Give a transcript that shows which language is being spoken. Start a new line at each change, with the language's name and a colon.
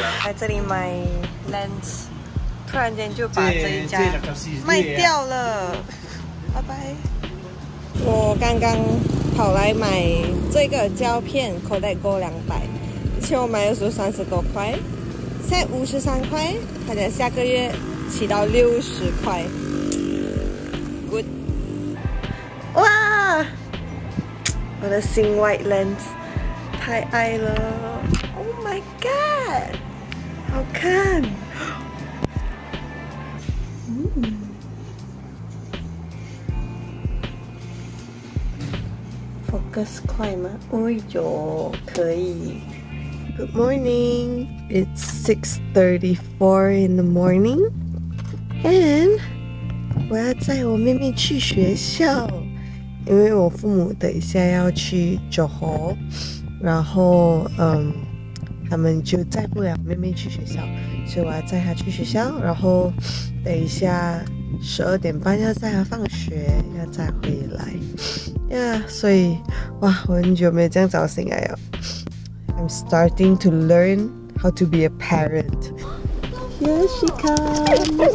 Chinese: 在这里买 lens， 突然间就把这一家卖掉了。拜拜。我刚刚跑来买这个胶片 Kodak Go 200，以前我买的时候30多块，现在53块，他讲下个月起到60块。
English: Good。
Chinese: 哇，我的新 White Lens 太爱了 ！
English: Oh my god，
Chinese: 好看。 Focus 快吗？哎呦，可以。
English: Good morning. It's 6:34 in the morning, and
Chinese: 我要载我妹妹去学校，因为我父母等一下要去Johor，然后他们就载不了妹妹去学校，所以我要载她去学校，然后等一下12:30要载她放学，要载回来。 Yeah, 所以哇，我很久没有这样早醒来了。
English: I'm starting to learn how to be a parent. Here she comes.